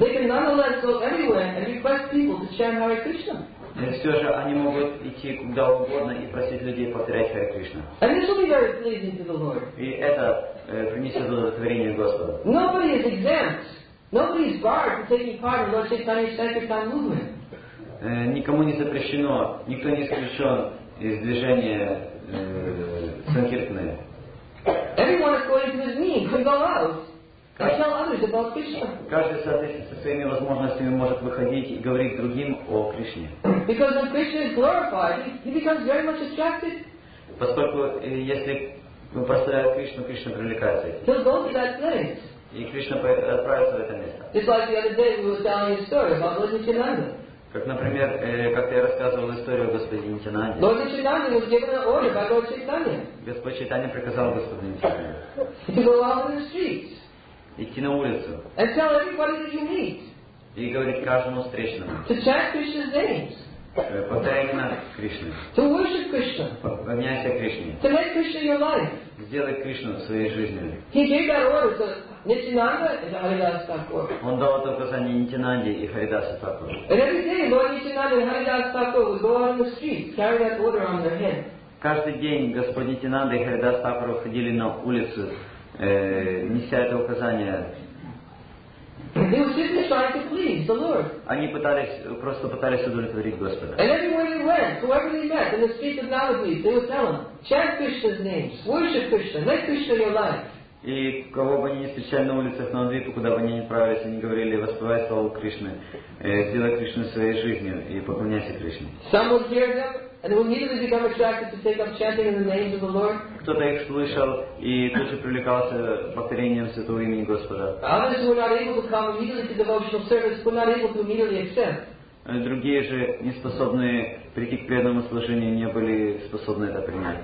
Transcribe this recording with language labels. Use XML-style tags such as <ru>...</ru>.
<en>They can nonetheless go everywhere and request people to chant Hare Krishna.</en> <ru>И все же они могут идти куда угодно и просить людей повторять Харе Кришна.</ru> <en>And this will be very pleasing to the Lord.</en> <ru>И это принесет удовлетворение Господу.</ru> <en>Nobody is exempt. Nobody is barred from taking part in Lord Chaitanya's Sankirtan movement.</en> <ru>Никому не запрещено, никто не исключен из движения Санкиртаны.</ru> <en>Everyone according to his need can go out.</en> <ru>Каждый, соответственно, со своими возможностями может выходить и говорить другим о Кришне.</ru> <en>Because when Krishna is glorified, he becomes very much attracted.</en> <ru>Поскольку если мы прославляем Кришну, Кришна привлекается.</ru> <en>He'll go to that place.</en> <ru>И Кришна отправится в это место.</ru> <en>Just like the other day we were telling a story about Lord Nityananda.</en> <ru>Как, например, как я рассказывал историю о господине Нитянанде.</ru> <en>Lord Nityananda was given an order by Lord Chaitanya.</en> <ru>Господь Чайтанья приказал господину Нитянанде.</ru> <en>To go out on the streets.</en> <ru>Идти на улицу.</ru> <en>And tell everybody that you meet.</en> <ru>И говорить каждому встречному.</ru> <en>To chant Krishna's names.</en> <ru>Повторяй имена Кришны.</ru> <en>To worship Krishna.</en> <ru>Поклоняйся Кришне.</ru> <en>To make Krishna your life.</en> <ru>Сделай Кришну своей жизнью.</ru> <en>He gave that order to Nityananda and Haridasa Thakur.</en> <ru>Он дал это указание Нитянанде и Харидасу Такуру.</ru> <en>And every day Lord Nityananda and Haridasa Thakur would go out on the street, carry that order on their head.</en> <ru>Каждый день Господь Нитянанда и Харидасу Такуру ходили на улицу, неся это указание.</ru> <en>They were simply trying to please the Lord.</en> <ru>Они просто пытались удовлетворить Господа.</ru> <en>And everywhere they went, whoever they met in the streets of Navadvip, they would tell them, chant Krishna's name, worship Krishna, make Krishna your life.</en> <ru>И кого бы они ни встречали на улицах Навадвипа, куда бы они ни отправились, они говорили, воспевай славу Кришны, сделай Кришну своей жизнью и поклоняйся Кришне.</ru> <en>Some would hear them and will immediately become attracted to take up chanting in the names of the Lord.</en> <ru>Кто-то их слышал и тут же привлекался повторением святого имени Господа.</ru> <en>Others who were not able to come immediately to devotional service were not able to immediately accept.</en> <ru>Другие же, не способные прийти к преданному служению, не были способны это принять.</ru>